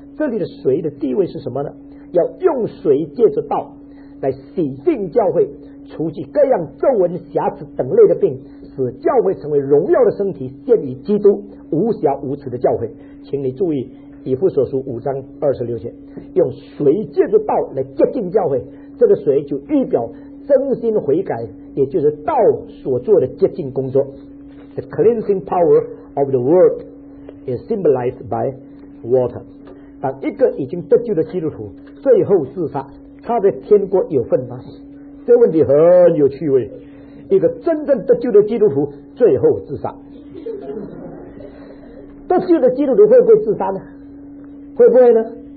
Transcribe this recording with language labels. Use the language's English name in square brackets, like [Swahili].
[Chinese] 这里的水的地位是什么呢？要用水借着道来洗净教会，除去各样皱纹瑕疵等类的病，使教会成为荣耀的身体，献于基督，无瑕无疵的教会。请你注意以弗所书五章二十六节，用水借着道来洁净教会，这个水就预表真心悔改，也就是道所做的洁净工作。 [English] The cleansing power of the word is symbolized by water。 [Chinese] 当一个已经得救的基督徒最后自杀，他在天国有份吗？这问题很有趣味。一个真正得救的基督徒最后自杀，得救的基督徒会不会自杀呢？会不会呢？